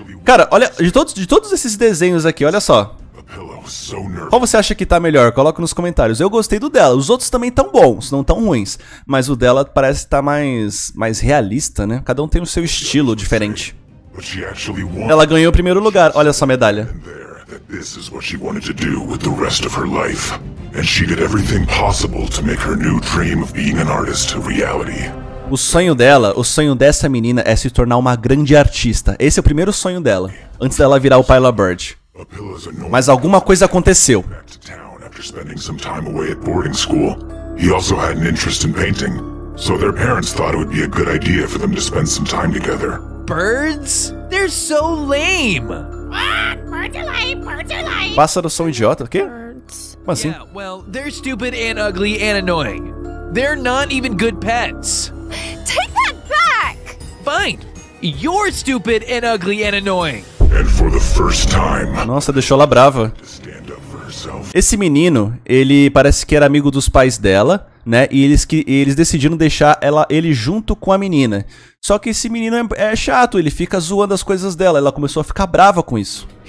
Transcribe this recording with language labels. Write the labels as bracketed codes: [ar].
[pt] Cara, olha, de todos esses desenhos aqui, olha só. Qual você acha que tá melhor? Coloca nos comentários. Eu gostei do dela. Os outros também tão bons, não tão ruins. Mas o dela parece estar mais realista, né? Cada um tem o seu estilo diferente. Ela ganhou o primeiro lugar. Olha só a medalha. [en] This is what she wanted to do with the rest of her life. And she did everything possible to make her new dream of being an artist a reality. [pt] O sonho dela, o sonho dessa menina é se tornar uma grande artista. Esse é o primeiro sonho dela, antes dela virar o Pilot Bird. Mas alguma coisa aconteceu. [en] After spending some time away at boarding school, he also had an interest in painting. So their parents thought it would be a good idea for them to spend some time together. Birds? They're so lame. [pt] Pássaros são idiotas, o quê? Como assim? [en] Yeah, well, they're stupid and ugly and annoying. They're not even good pets. Take that back! Fine. You're stupid and ugly and annoying. And for the first time. [pt] Nossa, deixou ela brava. Esse menino, ele parece que era amigo dos pais dela, né? E eles decidiram deixar ele junto com a menina. Só que esse menino é chato, ele fica zoando as coisas dela. Ela começou a ficar brava com isso.